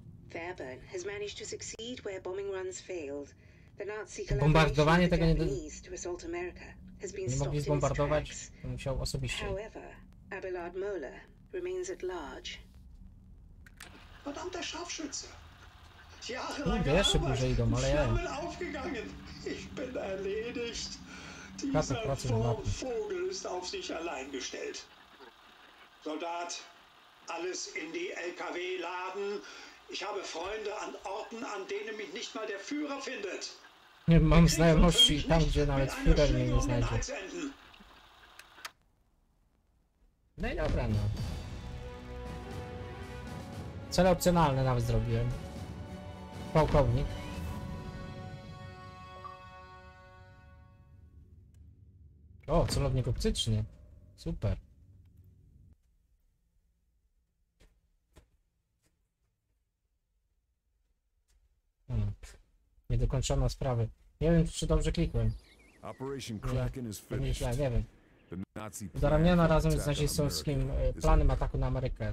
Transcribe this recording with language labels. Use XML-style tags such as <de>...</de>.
<en>Fairburn has managed to succeed where bombing runs failed. The Nazi</en> <pl>bombardowanie tego nie dostało. Nie mogli zbombardować, musiał osobiście.</pl> <en>However, Abelard Möller remains at large.</en> <de>Verdammte Scharfschütze! Jahrelang sind die Flammen aufgegangen. Ich bin erledigt. Dieser Vogel ist auf sich allein gestellt. Soldat, alles in die LKW laden. Ich habe Freunde an Orten, an denen mich nicht mal der Führer findet.</de> <pl>Nie mam znajomości tam, gdzie nawet Führer mnie nie znajdzie. No i dobra, no. Cele opcjonalne nawet zrobiłem. Pułkownik. O, celownik optyczny. Super. Nie dokończono sprawy. Nie wiem, czy dobrze klikłem.</pl> <en>Operation Kraken is finished.</en> <pl>Nie wiem. Zaramiona razem z nazistowskim planem ataku na Amerykę.</pl>